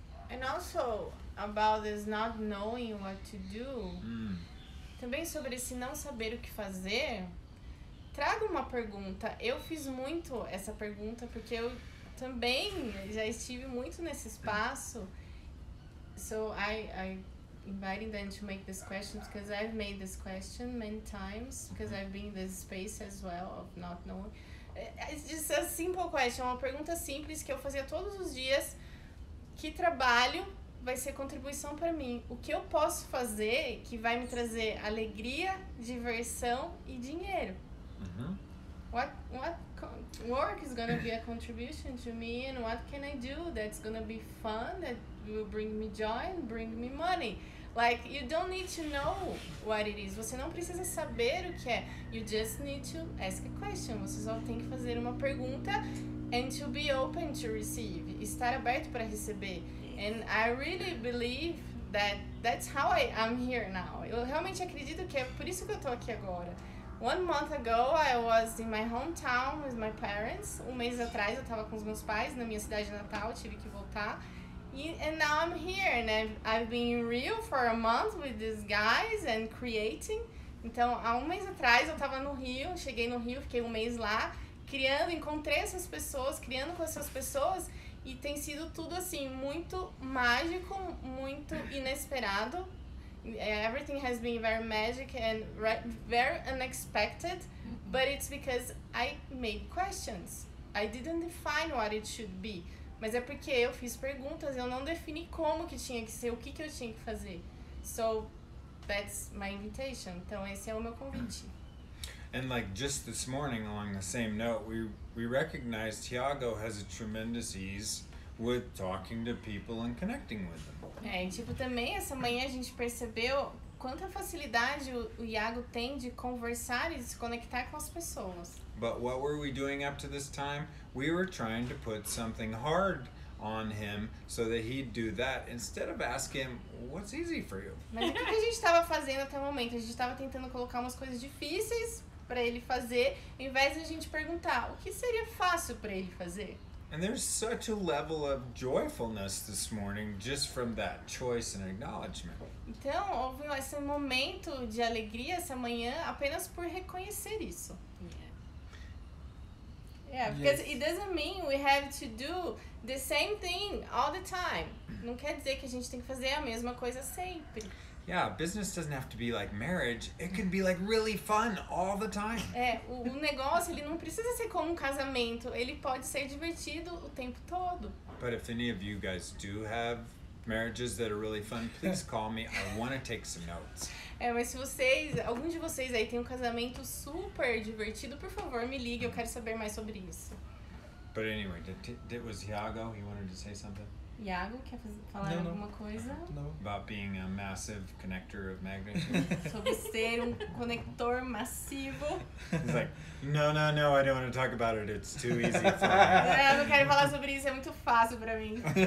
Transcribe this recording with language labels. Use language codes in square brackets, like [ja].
[en] And also about this not knowing what to do. [pt] Também sobre esse não saber o que fazer. Trago uma pergunta. Eu fiz muito essa pergunta porque eu também já estive muito nesse espaço. [en] So I invited them to make this question because I've made this question many times because I've been in this space as well of not knowing. It's a simple question, [pt] uma pergunta simples que eu fazia todos os dias. Que trabalho vai ser contribuição para mim? O que eu posso fazer que vai me trazer alegria, diversão e dinheiro? Uh-huh. [en] What work is going to be a contribution to me and what can I do that's going to be fun, that will bring me joy and bring me money? Like, you don't need to know what it is. [pt] Você não precisa saber o que é. [en] You just need to ask a question. [pt] Você só tem que fazer uma pergunta [en] and to be open to receive. [pt] Estar aberto para receber. [en] And I really believe that's how I'm here now. [pt] Eu realmente acredito que é por isso que eu tô aqui agora. [en] 1 month ago, I was in my hometown with my parents. [pt] 1 mês atrás, eu tava com os meus pais na minha cidade natal. Eu tive que voltar. [en] And now I'm here, and I've been in Rio for a month with these guys and creating. [pt] Então, há 1 mês atrás, eu estava no Rio, cheguei no Rio, fiquei 1 mês lá, criando, encontrei essas pessoas, criando com essas pessoas, e tem sido tudo, assim, muito mágico, muito inesperado. [en] Everything has been very magic and very unexpected, but it's because I made questions. I didn't define what it should be. [pt] Mas é porque eu fiz perguntas, eu não defini como que tinha que ser, o que que eu tinha que fazer. [en] So, that's my invitation. [pt] Então, esse é o meu convite. [en] And like just this morning, along the same note, we recognize Thiago has a tremendous ease with talking to people and connecting with them. [pt] É, tipo, também essa manhã a gente percebeu quanta facilidade o Iago tem de conversar e se conectar com as pessoas. [en] But what were we doing up to this time? We were trying to put something hard on him so that he'd do that instead of asking him, what's easy for you? [pt] Mas o que a gente estava fazendo até o momento? A gente estava tentando colocar umas coisas difíceis para ele fazer, em vez de a gente perguntar o que seria fácil para ele fazer. [en] And there's such a level of joyfulness this morning just from that choice and acknowledgement. [pt] Então, houve esse momento de alegria essa manhã apenas por reconhecer isso. [en] Yeah, because it doesn't mean we have to do the same thing all the time. [pt] Não quer dizer que a gente tem que fazer a mesma coisa sempre. [en] Yeah, business doesn't have to be like marriage. It can be like really fun all the time. [pt] É, o negócio, ele não precisa ser como um casamento. Ele pode ser divertido o tempo todo. [en] But if any of you guys do have marriages that are really fun, please call me. I want to take some notes. [pt] É, mas se vocês, algum de vocês aí tem um casamento super divertido, por favor, me ligue, eu quero saber mais sobre isso. [en] But anyway, it was Iago, he wanted to say something? [pt] Iago, quer falar alguma coisa? [en] No. About being a massive connector of magnitude? [pt] Sobre ser um conector massivo. [en] He's like, no, I don't want to talk about it, it's too easy for me. [pt] Não, não quero falar sobre isso, é muito fácil pra mim.